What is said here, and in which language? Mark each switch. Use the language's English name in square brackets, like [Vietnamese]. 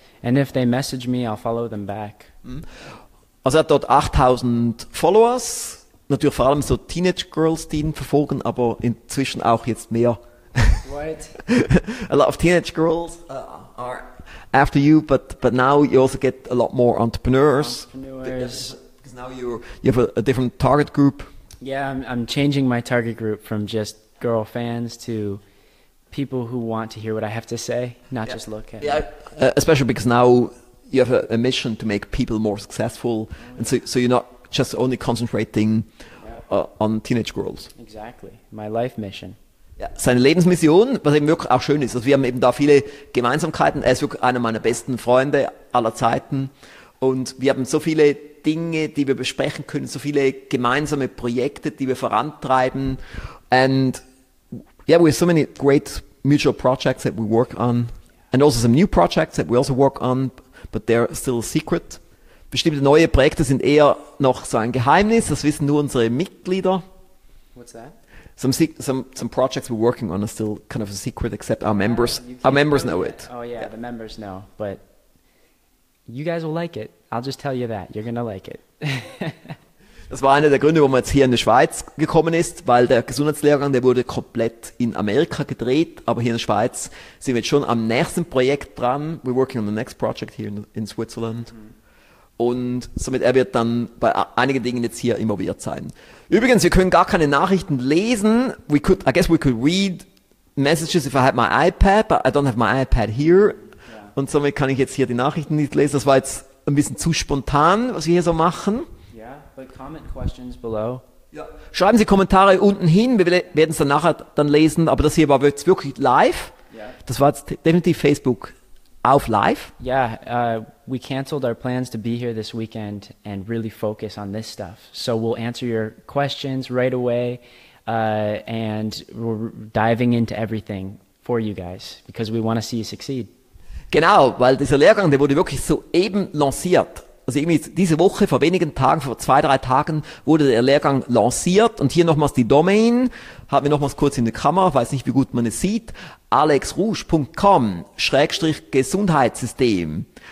[English] And if they message me, I'll follow them back. [German] Also hat dort 8,000 Followers. Natürlich vor allem so Teenage-Girls, die ihn verfolgen, aber inzwischen auch jetzt mehr. [English] What? A lot of Teenage-Girls are after you, but now you also get a lot more entrepreneurs. Entrepreneurs. Because now you have a different target group. Yeah, I'm changing my target group from just girl fans to people who want to hear what I have to say, not just look at it. Especially because now you have a mission to make people more successful, and so you're not just only concentrating on teenage girls. Exactly. My life mission. [German] Ja, seine Lebensmission, was eben wirklich auch schön ist. Also wir haben eben da viele Gemeinsamkeiten. Er ist wirklich einer meiner besten Freunde aller Zeiten. Und wir haben so viele Dinge, die wir besprechen können, so viele gemeinsame Projekte, die wir vorantreiben. [English] And yeah, we have so many great mutual projects that we work on. And also some new projects that we also work on, but they're still a secret. [German] Bestimmte neue Projekte sind eher noch so ein Geheimnis, das wissen nur unsere Mitglieder. [English] What's that? Some projects we're working on are still kind of a secret, except our members. Our members know it. Oh yeah, yeah, the members know, but you guys will like it. I'll just tell you that. You're gonna like it. [German] Das war einer der Gründe, warum man jetzt hier in die Schweiz gekommen ist, weil der Gesundheitslehrgang, der wurde komplett in Amerika gedreht, aber hier in der Schweiz sind wir jetzt schon am nächsten Projekt dran. [English] We're working on the next project here in Switzerland. [German] Mm-hmm. Und somit er wird dann bei einigen Dingen jetzt hier involviert sein. Übrigens, wir können gar keine Nachrichten lesen. [English] I guess we could read messages if I had my iPad, but I don't have my iPad here. Yeah. [German] Und somit kann ich jetzt hier die Nachrichten nicht lesen. Das war jetzt ein bisschen zu spontan, was wir hier so machen. [English] Yeah, but comment questions below. [German] Ja. Schreiben Sie Kommentare unten hin, wir werden es dann nachher dann lesen, aber das hier war jetzt wirklich live. [English] Yeah. [German] Das war jetzt definitiv Facebook auf live. [English] Yeah, we canceled our plans to be here this weekend and really focus on this stuff. So we'll answer your questions right away. And we're diving into everything for you guys, because we want to see you succeed. [German] Genau, weil dieser Lehrgang, der wurde wirklich soeben lanciert. Also irgendwie diese Woche, vor wenigen Tagen, vor 2-3 Tagen, wurde der Lehrgang lanciert. Und hier nochmals die Domain, haben wir nochmals kurz in der Kamera, weiß nicht, wie gut man es sieht, alexrouge.com/gesundheitssystem.